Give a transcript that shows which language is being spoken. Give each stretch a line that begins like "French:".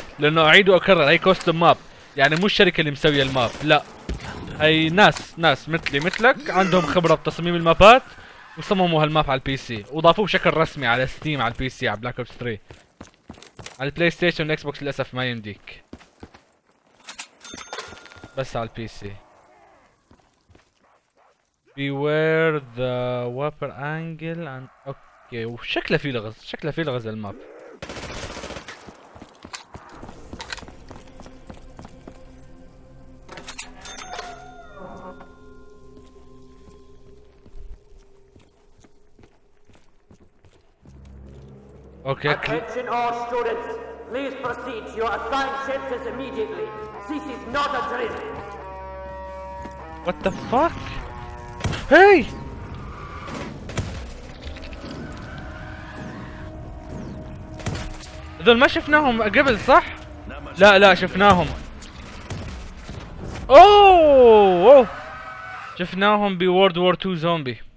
Arabic: لانه اعيد واكرر هي كوستوم ماب يعني مو الشركه اللي مسويه الماب لا هي ناس مثلي مثلك عندهم خبره بتصميم المابات وصمموا هالماب على البي سي وضافوه بشكل رسمي على ستيم على البي سي على بلاك اوبس 3. على البلاي ستيشن والاكس بوكس للاسف ما يمديك بس على البي سي.
English: Beware the weapon angle and okay.
Arabic: وشكله في لغز شكله في لغز الماب.
English: Okay. Attention all students, please proceed to your assigned shelters immediately. This is not a drill. What the fuck?
Arabic: هاي هذول ما شفناهم قبل صح؟ لا لا شفناهم. اوه شفناهم ب World War 2 زومبي.